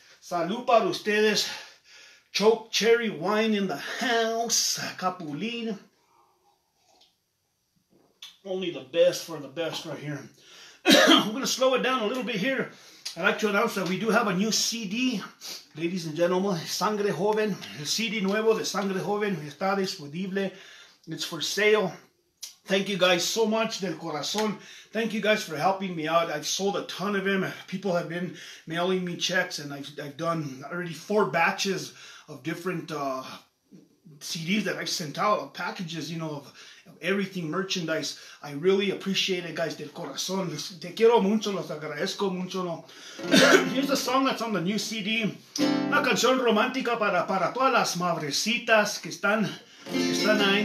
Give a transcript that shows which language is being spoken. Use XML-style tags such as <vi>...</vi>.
<es>Salud para ustedes.</es> <en>Choke cherry wine in the house, Capulín. Only the best for the best right here. I'm going to slow it down a little bit here. I'd like to announce that we do have a new CD, ladies and gentlemen.</en> <es>Sangre Joven, el CD nuevo de Sangre Joven está disponible.</es> <en>It's for sale. Thank you guys so much,</en> <es>del corazón.</es> <en>Thank you guys for helping me out. I've sold a ton of them. People have been mailing me checks, and I've done already 4 batches of different CDs that I've sent out, of packages, you know, of everything, merchandise. I really appreciate it, guys,</en> <es>del corazón. Te quiero mucho, los agradezco mucho. No?</es> <en>Here's a song that's on the new CD.</en> <es>Una canción romántica para todas las madrecitas que están ahí.</es>